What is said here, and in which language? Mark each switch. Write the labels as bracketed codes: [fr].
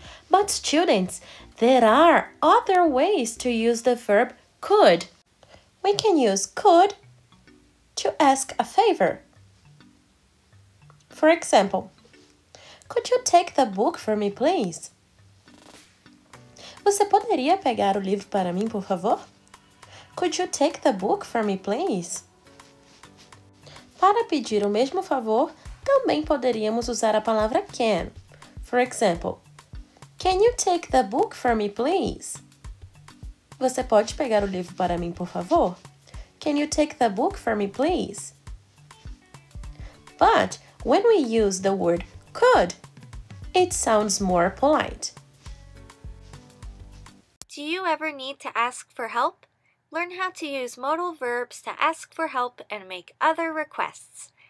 [en] But students, there are other ways to use the verb could. We can use could to ask a favor. For example, could you take the book for me, please? [pt] Você poderia pegar o livro para mim, por favor? [en] Could you take the book for me, please? [pt] Para pedir o mesmo favor, também poderíamos usar a palavra can. [en] For example, can you take the book for me, please? [pt] Você pode pegar o livro para mim, por favor? [en] Can you take the book for me, please? But when we use the word could, it sounds more polite. Do you ever need to ask for help? Learn how to use modal verbs to ask for help and make other requests.